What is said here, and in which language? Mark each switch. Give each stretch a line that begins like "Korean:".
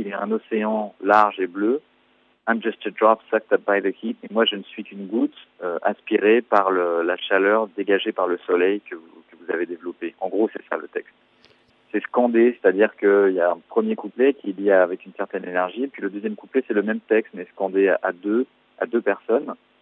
French: Il y a un océan large et bleu.
English: I'm just a drop sucked up by the heat.
French: Et moi, je ne suis qu'une goutte aspirée par la chaleur dégagée par le soleil que vous avez développé. En gros, c'est ça le texte. C'est scandé, c'est-à-dire qu'il y a un premier couplet qui est lié avec une certaine énergie. Et puis le deuxième couplet, c'est le même texte, mais scandé à deux personnes.